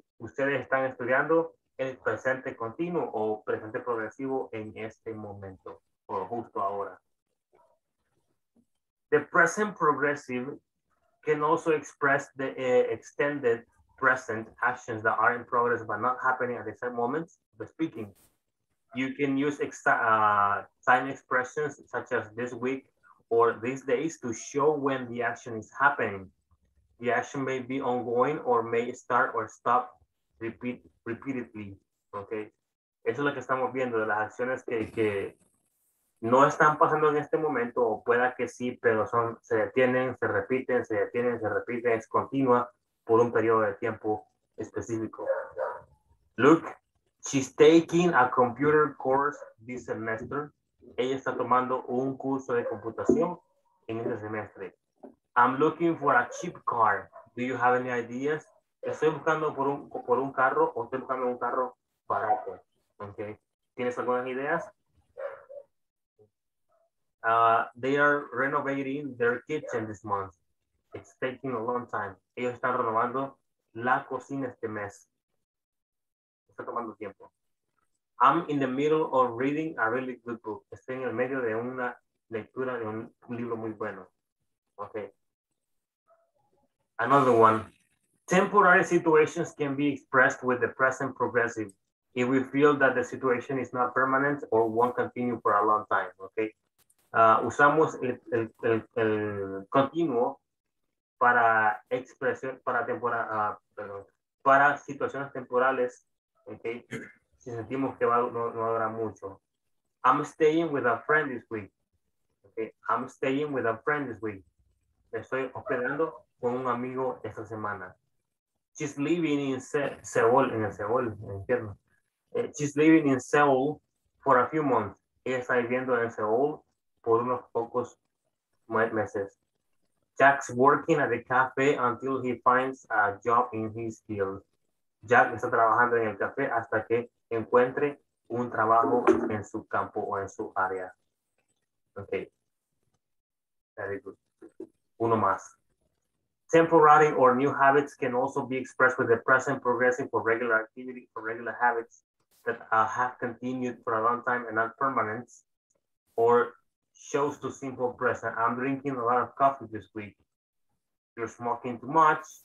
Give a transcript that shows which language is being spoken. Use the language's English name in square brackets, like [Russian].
[Spanish] Ustedes están estudiando el presente continuo o presente progresivo en este momento o justo ahora. [English] The present progressive can also express the extended present actions that are in progress but not happening at the same moment of speaking. You can use time expressions such as this week or these days to show when the action is happening. The action may be ongoing or may start or stop repeatedly, okay? [Spanish] Eso es lo que estamos viendo, de las acciones que no están pasando en este momento, o pueda que sí, pero son, se detienen, se repiten, se detienen, se repiten, es continua por un periodo de tiempo específico. [English] Look, she's taking a computer course this semester. [Spanish] Ella está tomando un curso de computación en este semestre. [English] I'm looking for a cheap car. Do you have any ideas? [Spanish] Estoy buscando por un carro o estoy buscando un carro barato. Okay. ¿Tienes algunas ideas? [English] They are renovating their kitchen this month. It's taking a long time. [Spanish] Ellos están renovando la cocina este mes. Está tomando tiempo. [English] I'm in the middle of reading a really good book. [Spanish] Estoy en el medio de una lectura de un libro muy bueno. [English] Okay. Another one. Temporary situations can be expressed with the present progressive if we feel that the situation is not permanent or won't continue for a long time, okay? [Spanish] Usamos el continuo para expresión, para situaciones temporales, okay? Si sentimos que va, no va a durar mucho. [English] I'm staying with a friend this week, okay? I'm staying with a friend this week. [Spanish] Estoy hospedando con un amigo esta semana. [English] She's living in Seoul, [Spanish] en el Seoul, en el infierno. [English] She's living in Seoul for a few months. [Spanish] Ella está viviendo en Seoul por unos pocos meses. [English] Jack's working at the cafe until he finds a job in his field. [Spanish] Jack está trabajando en el café hasta que encuentre un trabajo en su campo o en su área. [English] Okay. Very good. [Spanish] Uno más. [English] Temporary or new habits can also be expressed with the present progressive for regular activity or regular habits that have continued for a long time and not permanent or shows to simple present. I'm drinking a lot of coffee this week. You're smoking too much.